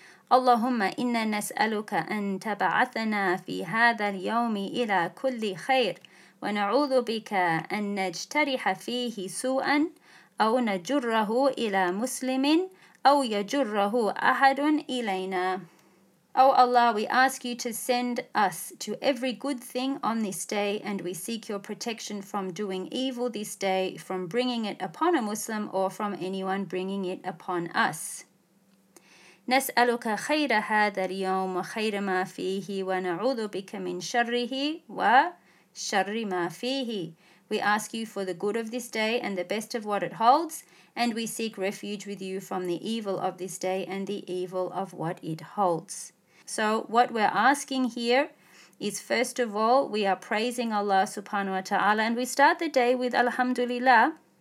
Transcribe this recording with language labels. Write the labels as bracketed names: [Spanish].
[Arabic] Allahumma inna nas'aluka an taba'athana fi hadha al-yawmi ila kulli khair, wa na'udhu bika an najtariha fihi su'an, أو نجره إلى مسلم أو يجره أحد إلينا. [English] O Allah, we ask you to send us to every good thing on this day, and we seek your protection from doing evil this day, from bringing it upon a Muslim, or from anyone bringing it upon us. [Arabic] نسألك خير هذا اليوم وخير ما فيه ونعوذ بك من شره وشر ما فيه. [English] We ask you for the good of this day and the best of what it holds, and we seek refuge with you from the evil of this day and the evil of what it holds. So what we're asking here is, first of all, we are praising Allah subhanahu wa ta'ala, and we start the day with Alhamdulillah.